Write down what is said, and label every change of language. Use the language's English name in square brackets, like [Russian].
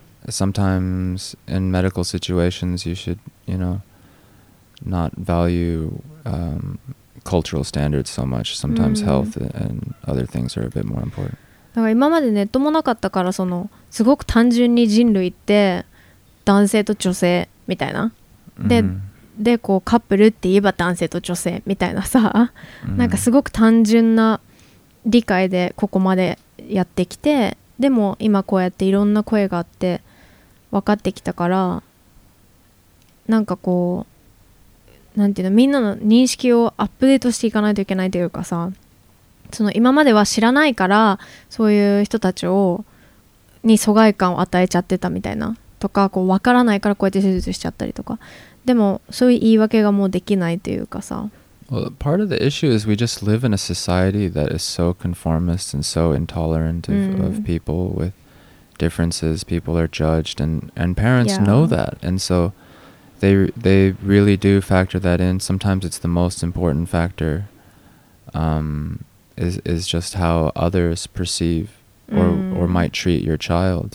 [English] Sometimes in medical situations you should, you know, not value cultural standards so much. Sometimes health and other things are a bit more important. [Japanese] だから今までネットもなかったからそのすごく単純に人類って男性と女性みたいな、でこうカップルって言えば男性と女性みたいなさ、なんかすごく単純な理解でここまでやってきて、でも今こうやっていろんな声があって分かってきたから、なんかこうなんていうのみんなの認識をアップデートしていかないといけないというかさ、その今までは知らないからそういう人たちをに疎外感を与えちゃってたみたいなとか、こう分からないからこうやって手術しちゃったりとか、でもそういう言い訳がもうできないというかさ。 [English] Well, part of the issue is we just live in a society that is so conformist and so intolerant of people with differences. People are judged and parents know that, and soThey really do factor that in. Sometimes it's the most important factor, is just how others perceive or might treat your child.